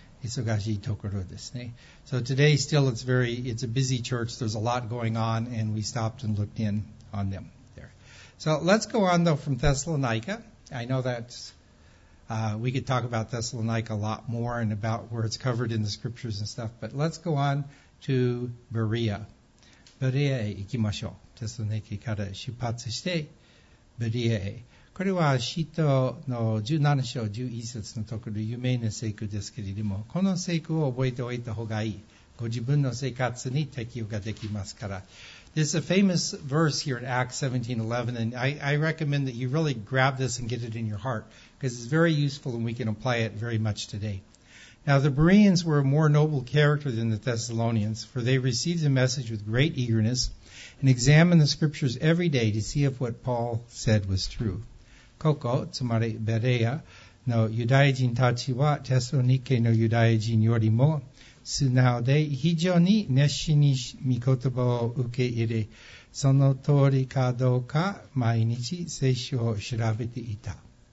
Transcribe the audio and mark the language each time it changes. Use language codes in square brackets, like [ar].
[ja] 忙しいところですね。 [en] So today still it's a busy church. There's a lot going on, and we stopped and looked in on them there. So let's go on though from Thessalonica. I know that's we could talk about Thessalonica a lot more and about where it's covered in the scriptures and stuff, but let's go on to Berea. [ja] Berea へ行きましょう。テスロニケから出発して、Berea へ。これは使徒の17章11節のところで有名な聖句ですけれども、この聖句を覚えておいた方がいい。ご自分の生活に適用ができますから。 [en] There's a famous verse here in Acts 17:11, and I recommend that you really grab this and get it in your heart, because it's very useful and we can apply it very much today. Now, the Bereans were a more noble character than the Thessalonians, for they received the message with great eagerness and examined the scriptures every day to see if what Paul said was true. [ja] ここ、つまりベレアのユダヤ人たちはテスロニケのユダヤ人よりも素直で非常に熱心に御言葉を受け入れ、その通りかどうか毎日聖書を調べていた。